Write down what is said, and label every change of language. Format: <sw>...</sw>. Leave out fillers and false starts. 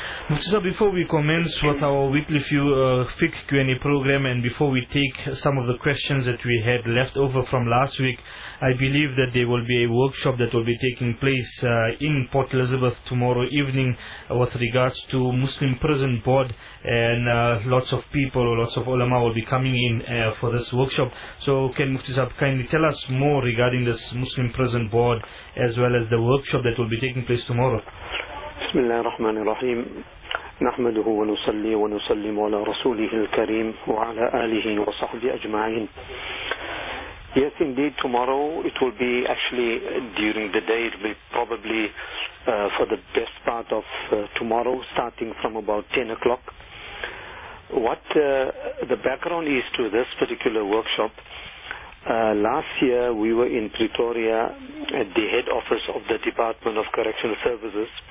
<en>Mufti Sab, before we commence with our weekly few fiqh Q&A program, and before we take some of the questions that we had left over from last week, I believe that there will be a workshop that will be taking place in Port Elizabeth tomorrow evening with regards to Muslim Prison Board, and lots of ulama will be coming in for this workshop. So can Mufti Sab kindly tell us more regarding this Muslim Prison Board as well as the workshop that will be taking place tomorrow?</en> <ar>بسم الله الرحمن الرحيم نحمده ونصلي ونسلم على رسوله الكريم وعلى آله وصحبه أجمعين.</ar> <en>Yes, indeed, tomorrow it will be actually during the day. It will be probably for the best part of tomorrow, starting from about 10 o'clock. What the background is to this particular workshop, last year we were in Pretoria at the head office of the Department of Correctional Services.</en>